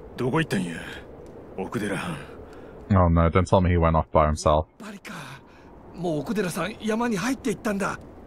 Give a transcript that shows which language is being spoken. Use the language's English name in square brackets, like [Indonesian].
[Japanese] それで奥寺さんは?今は家で夕飯の支度をしとる。興奮した様子はなかったが。どうも気になるな。ちょっと様子を見に行こう。これは、どこ行ったんや?奥寺藩。 [English] Oh no, don't tell me he went off by himself. [Japanese] バリカ、もう奥寺さん山に入っていったんだ。